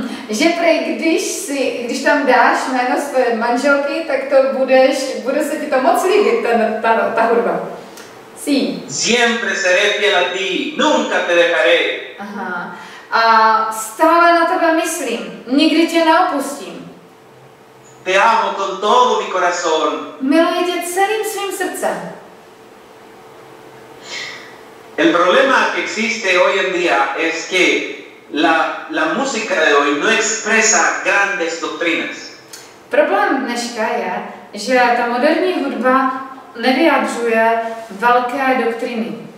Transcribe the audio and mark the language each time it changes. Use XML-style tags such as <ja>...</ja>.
<cs>Že prej, když tam dáš jméno své manželky, tak to bude se ti to moc líbit, ta hudba.</cs> <es>Sí. Siempre seré fiel a ti, nunca te dejaré. Aha.</es> <cs>A stále na tebe myslím, nikdy tě neopustím.</cs> <es>Te amo con todo mi corazón.</es> <cs>Miluji tě celým svým srdcem.</cs> <es>El problema que existe hoy en día es que la música de hoy no expresa grandes doctrinas.</es> <cs>Problém dneška je, že ta moderní hudba nevyjadřuje velké doktriny.</cs>